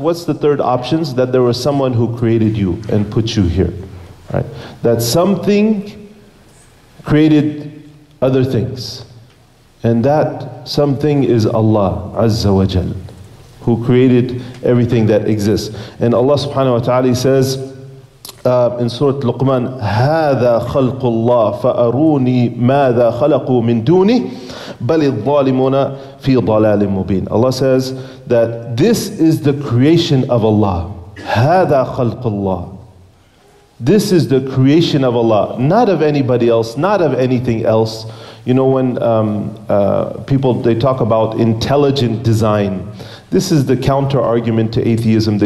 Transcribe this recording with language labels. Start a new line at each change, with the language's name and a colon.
English: What's the third option? That there was someone who created you and put you here. Right? That something created other things. And that something is Allah Azza wa Jal, who created everything that exists. And Allah subhanahu wa ta'ala says in Surah Luqman,
Arabic: هَذَا خَلْقُ اللَّهِ فَأَرُونِي مَاذَا خَلَقُوا مِن دُونِهِ بَلِ الظَّالِمُونَ فِي ضَلَالٍ مُبِينٍ.
English: Allah says that this is the creation of Allah.
Arabic: هَذَا خَلْقُ اللَّهِ.
English: This is the creation of Allah, not of anybody else, not of anything else. You know, when people, they talk about intelligent design, this is the counter argument to atheism.